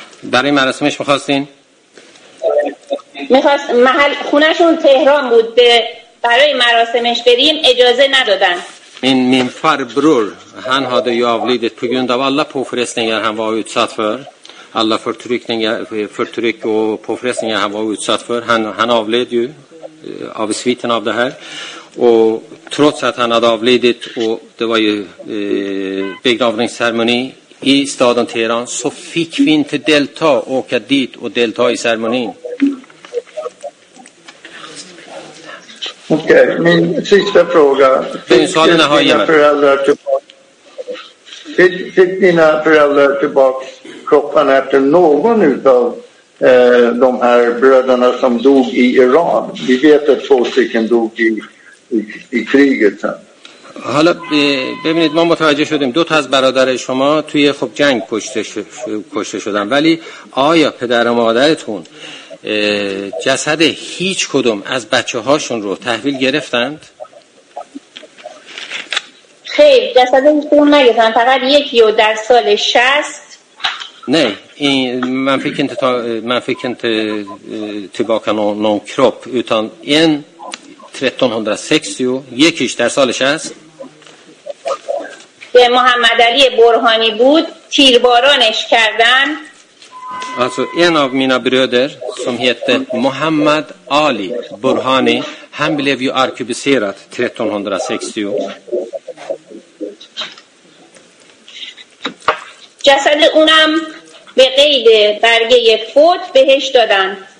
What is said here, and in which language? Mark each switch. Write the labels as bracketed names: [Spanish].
[Persian] برای مراسمش می‌خواستین؟ می‌خواست محل خونه‌شون تهران بود به برای مراسمش بریم اجازه ندادن. [Swedish] Min farbror han hade ju avlidit på grund av alla påfrestningar han var utsatt för. Alla förtryck och påfrestningar han var utsatt för. Han avled ju av sviten av det här. Och trots att han hade avlidit och det var ju begravningsceremoni i staden Teheran så fick vi inte delta, åka dit och delta i ceremonin. Okej, min sista fråga. Fick dina föräldrar tillbaka kroppen efter någon av de här bröderna som dog i Iran? Vi vet att två stycken dog i kriget sen. [Persian] حالا ببینید ما متوجه شدیم دو تا از برادر شما توی خب جنگ کشته شدن ولی آیا پدر و مادرتون جسد هیچ کدوم از بچه هاشون رو تحویل گرفتند؟ خیر جسد هیچون نگرفتن فقط یکی و در سال 60 نه این من فکر انت تا من فکر انت تباکن و نون کروپ اوتان این 1360 یکیش در سال 60 که محمد علی برهانی بود تیربارانش کردن. [Swedish] Alltså en av mina bröder som hette Muhammad Ali Burhani, han blev ju arkebuserad 1360. [Persian] جسد اونم به قید برگه فوت بهش دادن.